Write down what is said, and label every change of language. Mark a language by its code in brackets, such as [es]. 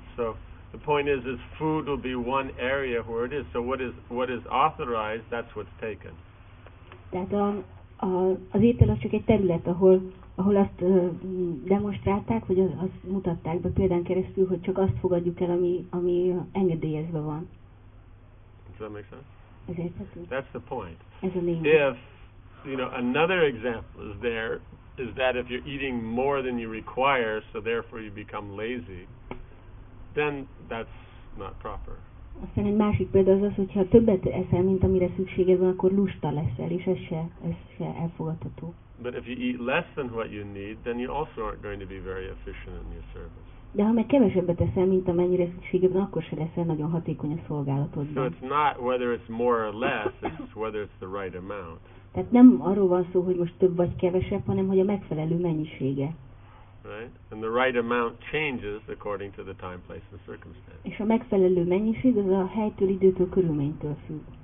[en] So the point is food will be one area where it is. So what is authorized, that's what's taken. [hu] Tehát az étel az csak egy terület, ahol azt demonstrálták, vagy azt mutatták be példán keresztül, hogy csak azt fogadjuk el, ami engedélyezve van. [en] Does that make sense? [hu] Ez érthető. [en] That's the point. [hu] Ez a lényeg. [en] If, you know, another example is there, is that if you're eating more than you require, so therefore you become lazy, then that's not proper. [hu] Aztán egy másik példa az, hogyha többet eszel, mint amire szükséged van, akkor lusta leszel, és ez se elfogadható. [en] But if you eat less than what you need, then you also aren't going to be very efficient in your service. [hu] De ha meg kevesebbet eszel, mint amennyire szükséged van, akkor se leszel nagyon hatékony a szolgálatodban. [en] So it's not whether it's more or less, it's whether it's the right amount. [hu] Tehát nem arról van szó, hogy most több vagy kevesebb, hanem hogy a megfelelő mennyisége. [en] Right? And the right amount changes according to the time, place, and circumstance. [hu] És a megfelelő mennyiség az a helytől, időtől, körülménytől függ.